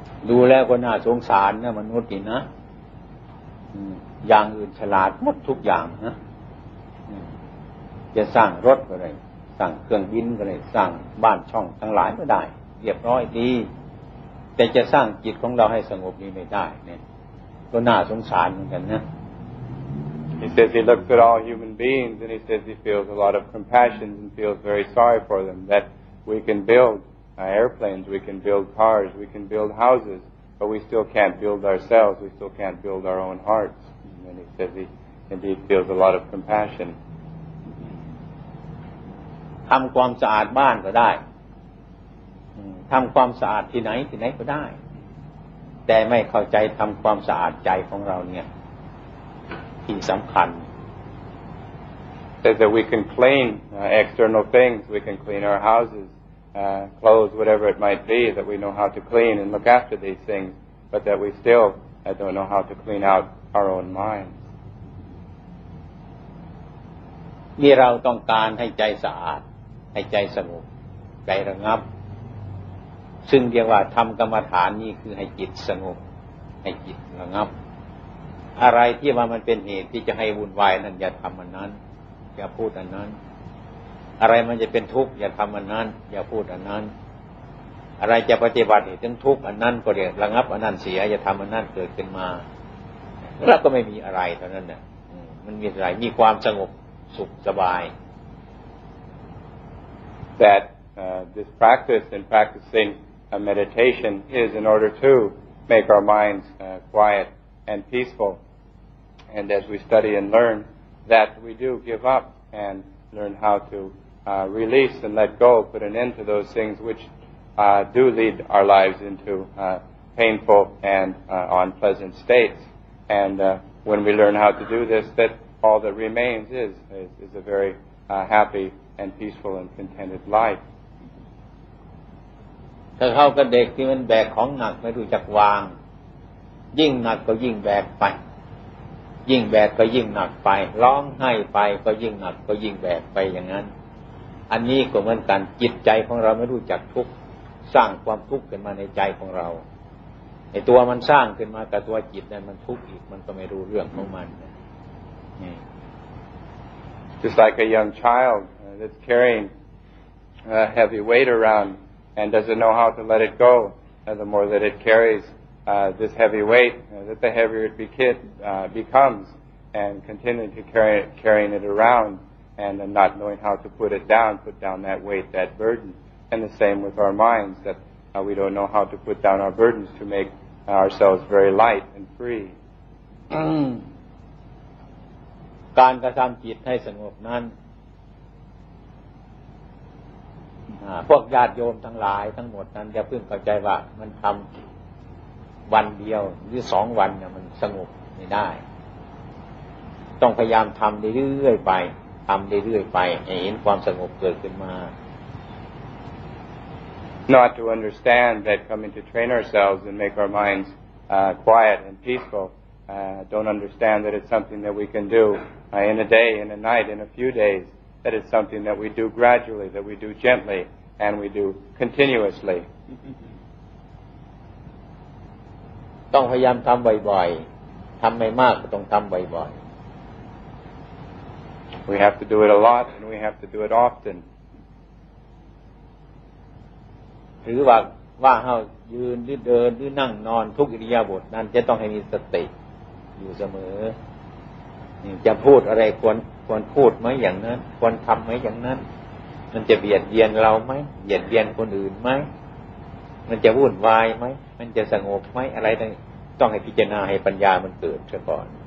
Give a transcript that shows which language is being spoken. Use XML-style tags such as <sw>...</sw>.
<th>ดูแล้วก็น่าสงสารนะมนุษย์นี่นะอย่างอื่นฉลาดหมดทุกอย่างนะจะสร้างรถก็ได้สร้างเครื่องบินก็ได้สร้างบ้านช่องทั้งหลายก็ได้เรียบร้อยดีแต่จะสร้างจิตของเราให้สงบนี่ไม่ได้เนี่ยก็น่าสงสารเหมือนกันนะ</th> <en>He says he looks at all human beings and he says he feels a lot of compassion and feels very sorry for them, that we can build airplanes, we can build cars, we can build houses, but we still can't build ourselves, we still can't build our own hearts. And then he says he indeed feels a lot of compassion.</en> <th>ทำความสะอาดบ้านก็ได้ทำความสะอาดที่ไหนที่ไหนก็ได้แต่ไม่เข้าใจทำความสะอาดใจของเราเนี่ยที่สำคัญ</th> <en>says that we can clean external things, we can clean our houses, clothes, whatever it might be, that we know how to clean and look after these things, but that we still don't know how to clean out our own minds.</en> <th>นี่เราต้องการให้ใจสะอาดให้ใจสงบใจระงับซึ่งเรียกว่าทำกรรมฐานนี่คือให้จิตสงบให้จิตระงับอะไรที่ว่ามันเป็นเหตุที่จะให้วุ่นวายนั่นอย่าทำอันนั้นอย่าพูดอันนั้นอะไรมันจะเป็นทุกข์อย่าทำอันนั้นอย่าพูดอันนั้น อะไรจะปฏิบัติถึงทุกข์อันนั้นก็เดี๋ยวระงับอันนั้นเสียอย่าทำอันนั้นเกิดขึ้นมาแล้วก็ไม่มีอะไรเท่านั้นน่ะมันมีอะไรมีความสงบสุขสบาย</th> <en>That this practice and practicing a meditation is in order to make our minds quiet and peacefulAnd as we study and learn, that we do give up and learn how to release and let go, put an end to those things which do lead our lives into painful and unpleasant states. And when we learn how to do this, that all that remains is a very happy and peaceful and contented life.</en> <th>ถ้าเขากับเด็กที่มันแบกของหนักไม่รู้จักวางยิ่งหนักก็ยิ่งแบกไป ยิ่งแบกก็ยิ่งหนักไปร้องไห้ไปก็ยิ่งหนักก็ยิ่งแบกไปอย่างนั้นอันนี้ก็เหมือนกันจิตใจของเราไม่รู้จักทุกข์สร้างความทุกข์ขึ้นมาในใจของเราไอ้ตัวมันสร้างขึ้นมากับตัวจิตเนี่ยมันทุกข์อีกมันก็ไม่รู้เรื่องของมันนี่</th> <en>Just like a young child that's carrying a heavy weight around and doesn't know how to let it go the more that it carriesthis heavy weight, that the heavier it becomes, and continuing to carrying it around, and not knowing how to put down that weight, that burden. And the same with our minds, that we don't know how to put down our burdens to make ourselves very light and free.</en> <th>การกระทำจิตให้สงบนั้นพวกญาติโยมทั้งหลายทั้งหมดนั้นจะเพิ่งเข้าใจว่ามันทำวันเดียวหรือสองวันเนี่ยมันสงบไม่ได้ต้องพยายามทำเรื่อยๆไปทำเรื่อยๆไปให้เห็นความสงบเกิดขึ้นมา</th> <en>Not to understand that coming to train ourselves and make our minds quiet and peaceful don't understand that it's something that we can do in a day, in a night, in a few days that it's something that we do gradually, that we do gently and we do continuously</en> <th>ต้องพยายามทำบ่อยๆทำไม่มากก็ต้องทำบ่อย</th> <en>ๆ We have to do it a lot and we have to do it often</en> <th>หรือว่าเฮายืนหรือเดินหรือนั่งนอนทุกอิริยาบถนั้นจะต้องให้มีสติอยู่เสมอจะพูดอะไรควรพูดไหมอย่างนั้นควรทำไหมอย่างนั้นมันจะเบียดเบียนเราไหมเบียดเบียนคนอื่นไหมมันจะวุ่นวายไหมมันจะสงบไหมอะไรต้องให้พิจารณาให้ปัญญามันเกิดซะก่อน</th>